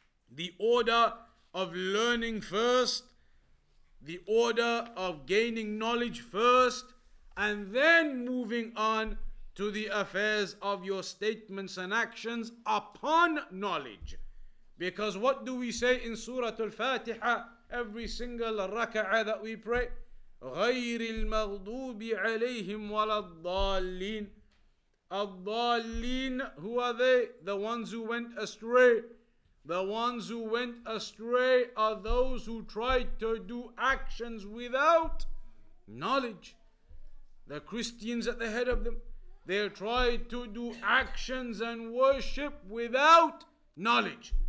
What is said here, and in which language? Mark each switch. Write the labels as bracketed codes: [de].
[en] The order of learning first, the order of gaining knowledge first, and then moving on to the affairs of your statements and actions upon knowledge. Because what do we say in Surah Al-Fatiha, every single raka'ah that we pray? [ar] غير المغضوب عليهم ولا الضالين. [en] الضالين, who are they? The ones who went astray. The ones who went astray are those who tried to do actions without knowledge. The Christians at the head of them, they tried to do actions and worship without knowledge.